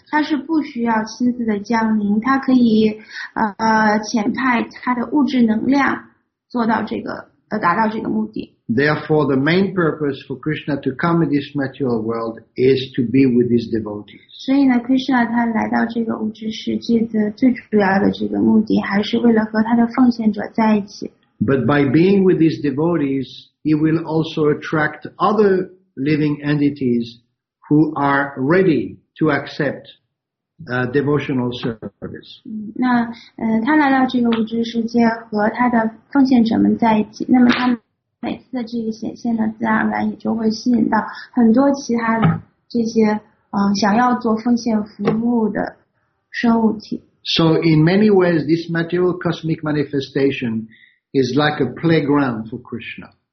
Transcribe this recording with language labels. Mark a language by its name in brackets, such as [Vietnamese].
[Chinese] 它是不需要亲自的降临，它可以遣派它的物质能量做到这个达到这个目的。 [English] Therefore, the main purpose for Krishna to come in this material world is to be with his devotees. [Chinese] 所以呢 ，Krishna 他来到这个物质世界的最主要的这个目的，还是为了和他的奉献者在一起。 [English] But by being with his devotees, he will also attract other living entities who are ready to accept devotional service. [Chinese] 那他来到这个物质世界和他的奉献者们在一起，那么他们每次的这个显现呢，自然而然也就会吸引到很多其他的这些想要做奉献服务的生物体。 [English] So in many ways, this material cosmic manifestation is like a playground for Krishna.